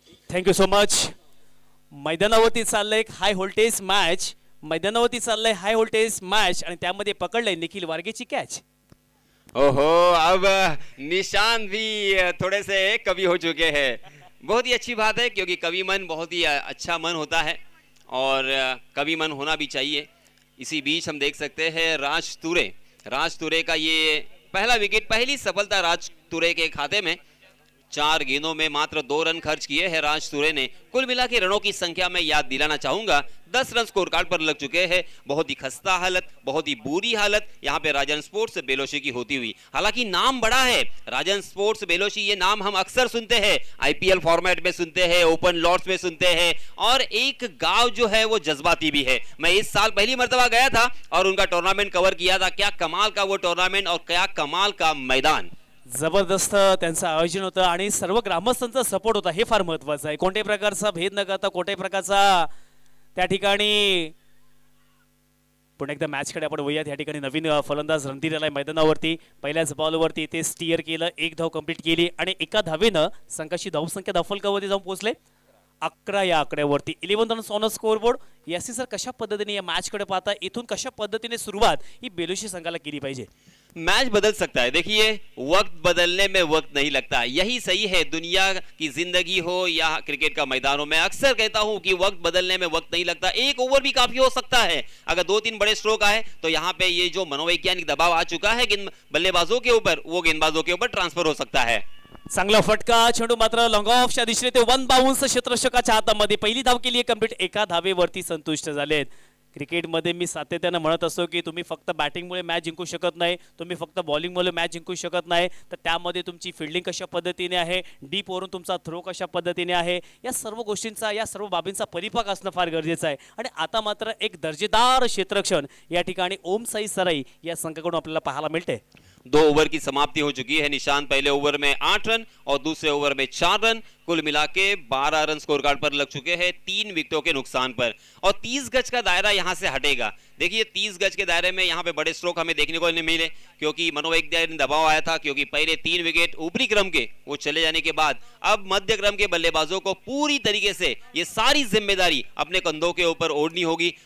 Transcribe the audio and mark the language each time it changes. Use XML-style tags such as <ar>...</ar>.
<en>Thank you so much.</en> <mr>मैदानावरती चाललंय एक हाय होल्टेज मॅच, मैदानावरती चाललंय हाय होल्टेज मॅच आणि त्यामध्ये पकडलंय निखिल वार्गेची कॅच।</mr> <hi>ओहो अब निशान भी थोड़े से कवी हो चुके हैं, बहुत ही अच्छी बात है क्योंकि कवी मन बहुत ही अच्छा मन होता है और कवी मन होना भी चाहिए। इसी बीच हम देख सकते हैं राज तुरे, राज तुरे का ये पहला विकेट, पहली सफलता राज तुरे के खाते में। 4 गेंदों में मात्र 2 रन खर्च किए हैं राज तुरे ने। कुल मिला के रनों की संख्या में याद दिलाना चाहूंगा, 10 रन स्कोर कार्ड पर लग चुके हैं। बहुत ही खस्ता हालत, बहुत ही बुरी हालत यहाँ पे राजन स्पोर्ट्स बेलोशी की होती हुई। हालांकि नाम बड़ा है राजन स्पोर्ट्स बेलोशी, ये नाम हम अक्सर सुनते हैं, आईपीएल फॉर्मेट में सुनते हैं, ओपन लॉट्स में सुनते हैं, और एक गाँव जो है वो जज्बाती भी है। मैं इस साल पहली मरतबा गया था और उनका टूर्नामेंट कवर किया था, क्या कमाल का वो टूर्नामेंट और क्या कमाल का मैदान,</hi> <mr>जबरदस्त त्यांचं आयोजन होतं आणि सर्व ग्रामस्थांचा सपोर्ट होता, हे फार महत्वाचं आहे। कोणत्याही प्रकारचा भेद न करता कोणत्याही प्रकारचा त्या ठिकाणी, पुन्हा एकदा मॅचकडे आपण वळूयात। या ठिकाणी नवीन फलंदाज रणधीर आलाय मैदानावरती, पहिल्याच बॉलवरती ते स्टीअर केलं, 1 धाव कम्प्लीट केली आणि 1 धावेनं संघाची धावसंख्या दफलकावरती जाऊन पोहोचले 11 या आकड्यावरती।</mr> <en>11 runs on scoreboard.</en> <mr>यासी सर, कशा पद्धतीने या मॅचकडे पाहता, इथून कशा पद्धतीने सुरुवात ही बेलोशी संघाला केली पाहिजे? मैच बदल सकता है, देखिए वक्त बदलने में वक्त नहीं लगता, यही सही है। दुनिया की जिंदगी हो या क्रिकेट का मैदान हो, मैं अक्सर कहता हूं कि वक्त बदलने में वक्त नहीं लगता, 1 ओवर भी काफी हो सकता है। अगर 2-3 बड़े स्ट्रोक आए तो यहां पे ये जो मनोवैज्ञानिक दबाव आ चुका है बल्लेबाजों के ऊपर, वो गेंदबाजों के ऊपर ट्रांसफर हो सकता है। चांगला फटका, चेंडू मात्र लॉन्ग ऑफ च्या दिशेने, ते 1 बाउन्स क्षेत्ररक्षकाच्या हातामध्ये, पहिली धाव केली कम्प्लीट, 1 धावेवरती संतुष्ट झालेत। क्रिकेटमध्ये मी सातत्यानं म्हणत असतो की तुम्ही फक्त बॅटिंगमुळे मॅच जिंकू शकत नाही, तुम्ही फक्त बॉलिंगमुळे मॅच जिंकू शकत नाही, तर त्यामध्ये तुमची फिल्डिंग कशा पद्धतीने आहे, डीपवरून तुमचा थ्रो कशा पद्धतीने आहे, या सर्व गोष्टींचा, या सर्व बाबींचा परिपाक असणं फार गरजेचं आहे। आणि आता मात्र एक दर्जेदार क्षेत्ररक्षण या ठिकाणी ओम साई सराई या संघाकडून आपल्याला पाहायला मिळते।</mr> <hi>2 ओवर की समाप्ति हो चुकी है, निशान पहले ओवर में 8 रन और दूसरे ओवर में 4 रन, कुल मिला के 12 रन स्कोर कार्ड पर लग चुके हैं 3 विकेटों के नुकसान पर। और 30 गज का दायरा यहां से हटेगा, देखिए 30 गज के दायरे में यहां पे बड़े स्ट्रोक हमें देखने को नहीं मिले क्योंकि मनोवैज्ञानिक दबाव आया था, क्योंकि पहले 3 विकेट ऊपरी क्रम के वो चले जाने के बाद अब मध्य क्रम के बल्लेबाजों को पूरी तरीके से ये सारी जिम्मेदारी अपने कंधों के ऊपर ओढ़नी होगी।</hi>